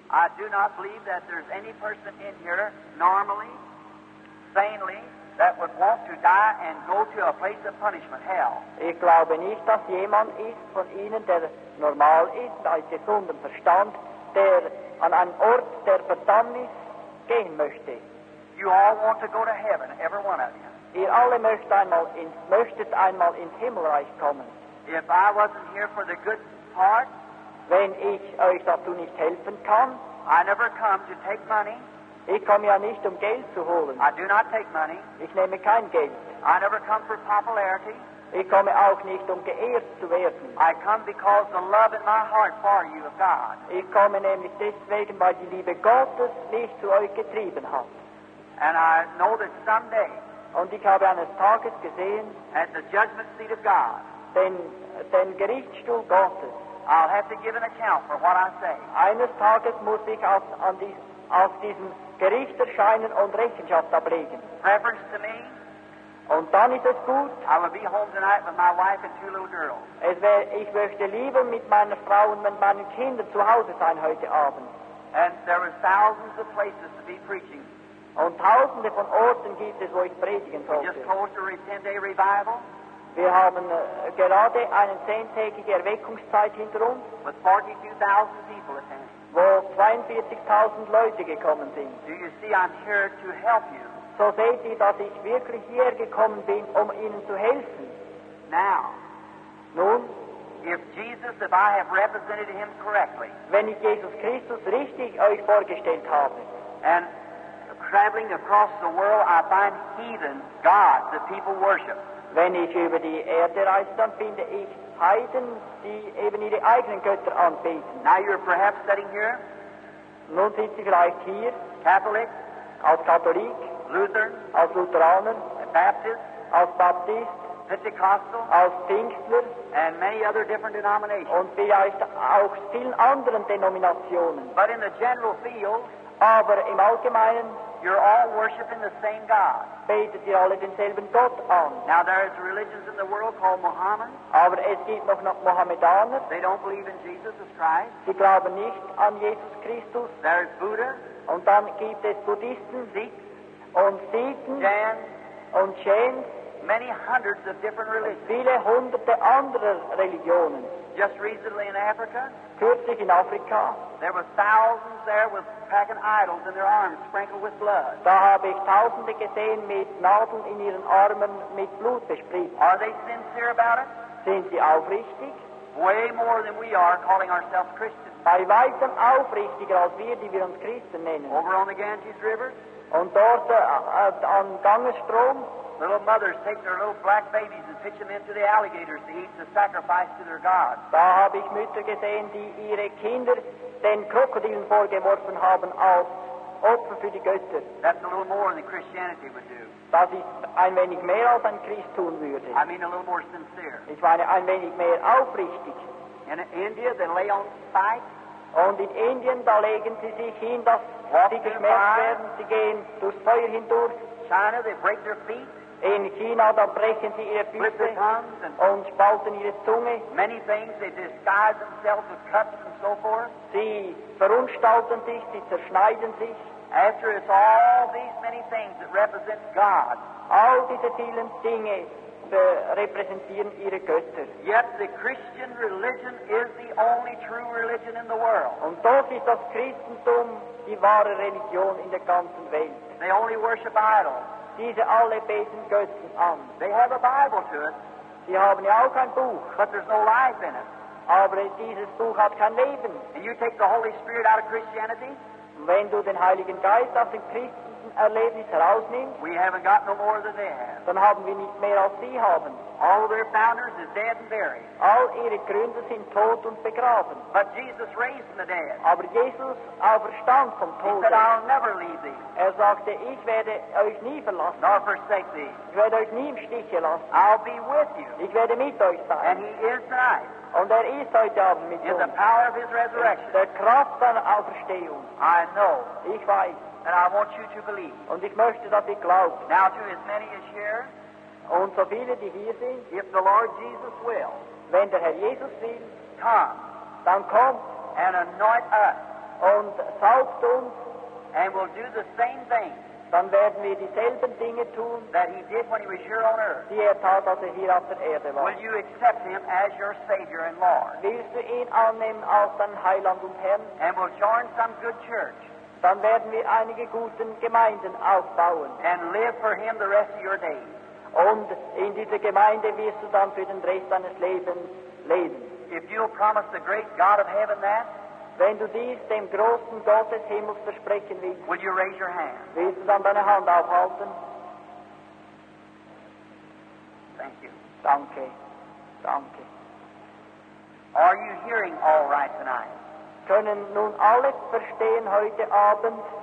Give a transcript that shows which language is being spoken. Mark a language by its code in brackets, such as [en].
[en] I do not believe that there's any person in here, normally, sanely, that would want to die and go to a place of punishment, hell. [de] Ich glaube nicht, dass jemand ist von Ihnen, der normal ist, bei gesundem Verstand, der an einen Ort der Verdammnis gehen möchte. [en] You all want to go to heaven, every one of you. [de] Ihr alle möchtet einmal ins Himmelreich kommen. [en] If I wasn't here for the good part, [de] wenn ich euch dazu nicht helfen kann, [en] I never come to take money. [de] Ich komme ja nicht, um Geld zu holen. [en] I do not take money. [de] Ich nehme kein Geld. [en] I never come for popularity. [de] Ich komme auch nicht, um geehrt zu werden. [en] I come because the love in my heart for you of God. [de] Ich komme nämlich deswegen, weil die Liebe Gottes mich zu euch getrieben hat. [en] And I know that someday, [de] und ich habe eines Tages gesehen, [en] at the judgment seat of God, [de] den Gerichtsstuhl Gottes, [en] I'll have to give an account for what I say. [de] Eines Tages muss ich auf diesem Gericht erscheinen und Rechenschaft ablegen. [en] Reverence to me. [de] Und dann ist es gut. [en] I will be home tonight with my wife and two little girls. [de] Ich möchte lieber mit meiner Frau und mit meinen Kindern zu Hause sein heute Abend. [en] And there are thousands of places to be preaching. [de] Und tausende von Orten gibt es, wo ich predigen sollte. [en] We just closed a 10-day revival. [de] Wir haben gerade eine 10-tägige Erweckungszeit hinter uns. [en] With 42,000 people attending. [de] Wo 42,000 Leute gekommen sind. [en] Do you see I'm here to help you? [de] So seht ihr, dass ich wirklich hier gekommen bin, um ihnen zu helfen. [en] Now, [de] nun, [en] if I have represented him correctly, [de] wenn ich Jesus Christus richtig euch vorgestellt habe, [en] and traveling across the world, I find heathen gods that people worship. [de] Wenn ich über die Erde reise, dann finde ich Heiden, die eben ihre eigenen Götter anbeten. [en] Now you're perhaps sitting here. [de] Nun sitze ich vielleicht hier. [en] Catholic. [de] Als Katholik. [en] Lutheran. [de] Als Lutheraner. [en] Baptist. [de] Als Baptist. [en] Pentecostal. [de] Als Pfingstler. [en] And many other different denominations. [de] Und vielleicht auch vielen anderen Denominationen. [en] But in the general field. [de] Aber im Allgemeinen. [en] You're all worshiping the same God. [de] Betet ihr alle denselben Gott an. [en] Now there is religions in the world called Mohammed. [de] Aber es gibt noch Mohammedaner. [en] They don't believe in Jesus as Christ. [de] Sie glauben nicht an Jesus Christus. [en] There is Buddha. [de] Und dann gibt es Buddhisten. [en] Sikhs. [de] Und Sikhen. [en] Jains. [de] Und Jains. [en] Many hundreds of different religions. [de] Viele hunderte anderer Religionen. [en] Just recently in Africa. [de] Kürzlich in Afrika. [en] There were thousands there with pagan idols in their arms sprinkled with blood. [de] Da habe ich tausende gesehen mit Nadeln in ihren Armen mit Blut besprüht. [en] Are they sincere about it? [de] Sind sie aufrichtig? [en] Way more than we are calling ourselves Christians. [de] Bei weitem aufrichtiger als wir, die wir uns Christen nennen. [en] Over on the Ganges River. [de] Und dort am Gangesstrom. [en] Little mothers take their little black babies and pitch them into the alligators to eat the sacrifice to their gods. [de] Da habe ich Mütter gesehen, die ihre Kinder den Krokodilen vorgeworfen haben als Opfer für die Götter. [en] That's a little more than Christianity would do. [de] Das ist ein wenig mehr als ein Christ tun würde. [en] I mean a little more sincere. [de] Ich meine ein wenig mehr aufrichtig. [en] In India, they lay on spikes. [de] Und in Indien, da legen sie sich hin, dass sie geschmerzt werden. Sie gehen durchs Feuer hindurch. [en] China, they break their feet. [de] In China, da brechen sie ihre Füße und spalten ihre Zunge. [en] Many things, they disguise themselves with cuts and so forth. [de] Sie verunstalten sich, sie zerschneiden sich. [en] After it's all these many things that represent God. [de] All diese vielen Dinge repräsentieren ihre Götter. [en] Yet the Christian religion is the only true religion in the world. [de] Und doch ist das Christentum die wahre Religion in der ganzen Welt. [en] They only worship idols. [de] Diese alle beten Götzen an. [en] They have a Bible to it. [de] Sie haben ja auch kein Buch. [en] But there's no life in it. [de] Aber dieses Buch hat kein Leben. [en] And you take the Holy Spirit out of Christianity? [de] Wenn du den Heiligen Geist aus dem Christenerlebnis herausnimmst, [en] we haven't got no more than they have. [de] Dann haben wir nicht mehr als sie haben. [en] All their founders is dead and buried. [de] All ihre Gründer sind tot und begraben. [en] But Jesus raised the dead. [de] Aber Jesus auferstand vom Tod. [en] He said, I'll never leave thee. [de] Er sagte, ich werde euch nie verlassen. [en] Nor forsake thee. [de] Ich werde euch nie im Stich lassen. [en] I'll be with you. [de] Ich werde mit euch sein. [en] And he is tonight. [de] Und ist heute Abend mit [en] in the power of his resurrection. [de] Der Kraft seiner Auferstehung. [en] I know. [de] Ich weiß. [en] And I want you to believe. [de] Und ich möchte, dass ihr glaubt. [en] Now to as many as here. [de] Und so viele, die hier sind, [en] if the Lord Jesus will, [de] wenn der Herr Jesus will, [en] come, [de] dann kommt, [en] and anoint us, [de] und salbt uns, [en] and will do the same thing, [de] dann werden wir dieselben Dinge tun, [en] that he did when he was here on earth, [de] die tat, als hier auf der Erde war. [en] Will you accept him as your Savior and Lord? [de] Willst du ihn annehmen als dein Heiland und Herrn? [en] And will join some good church, [de] dann werden wir einige guten Gemeinden aufbauen, [en] and live for him the rest of your days. [de] Und in dieser Gemeinde wirst du dann für den Rest deines Lebens leben. [en] If you'll promise the great God of heaven that, [de] wenn du dies dem großen Gott des Himmels versprechen willst, [en] will you raise your hand? [de] Wirst du dann deine Hand aufhalten? [en] Thank you. [de] Danke. Danke. [en] Are you hearing all right tonight? [de] Können nun alle verstehen heute Abend?